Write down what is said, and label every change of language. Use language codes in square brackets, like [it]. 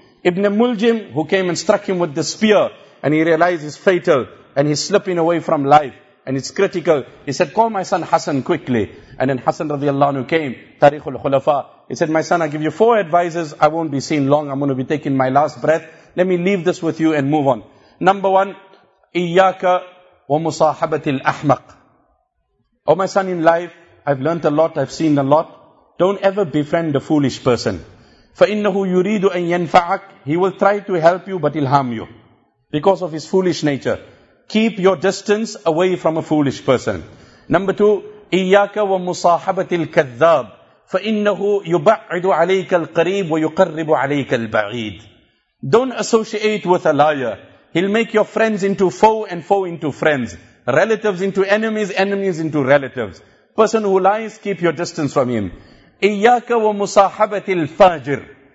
[en] Ibn Muljim, who came and struck him with the spear, and he realized it's fatal, and he's slipping away from life, and it's critical. He said, call my son Hassan quickly. And then Hassan radiallahu anhu came, Tariq al-Khulafa. He said, my son, I give you 4 advisors. I won't be seen long. I'm going to be taking my last breath. Let me leave this with you and move on. Number one, [ar] إِيَّاكَ وَمُصَاحَبَةِ الْأَحْمَقِ. [en] Oh, my son, in life, I've learned a lot. I've seen a lot. Don't ever befriend a foolish person. [ar] فَإِنَّهُ يُرِيدُ أَن يَنْفَعَكَ. [en] He will try to help you, but he'll harm you because of his foolish nature. Keep your distance away from a foolish person. Number two, [ar] إِيَّاكَ وَمُصَاحَبَةِ الْكَذَّابِ. فَإِنَّهُ يُبَعِّدُ عَلَيْكَ الْقَرِيبُ وَيُقَرِّبُ عَلَيْكَ الْبَعِيدُ. [en] Don't associate with a liar. He'll make your friends into foe and foe into friends. Relatives into enemies, enemies into relatives. Person who lies, keep your distance from him. [ar] إِيَّاكَ وَمُصَاحَبَةِ الْفَاجِرِ.